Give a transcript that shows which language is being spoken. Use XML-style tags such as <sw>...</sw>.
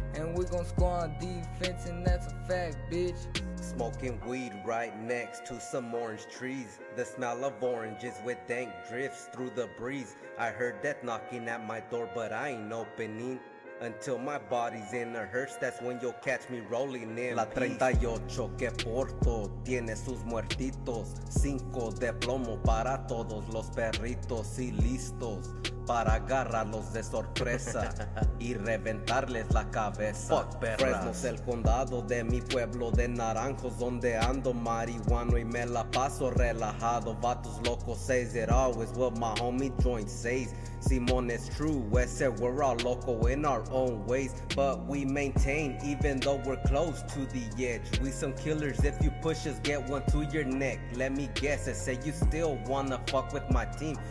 <en>And we gon' score on defense, and that's a fact, bitch. Smoking weed right next to some orange trees. The smell of oranges with dank drifts through the breeze. I heard death knocking at my door, but I ain't opening. Until my body's in a hearse, that's when you'll catch me rolling in peace.</en> <es>La 38 que porto tiene sus muertitos. Cinco de plomo para todos los perritos y listos para agarrarlos de sorpresa y reventarles la cabeza.</es> <en>Fuck</en> <es>perras. Fresnos, el condado de mi pueblo de naranjos, donde ando marihuano y me la paso relajado.</es> <en>Vatos locos says it always, what my homie joint says. Simon, it's true, we said we're all loco in our own ways. But we maintain, even though we're close to the edge. We some killers, if you push us, get one to your neck. Let me guess, I say you still wanna fuck with my team.</en>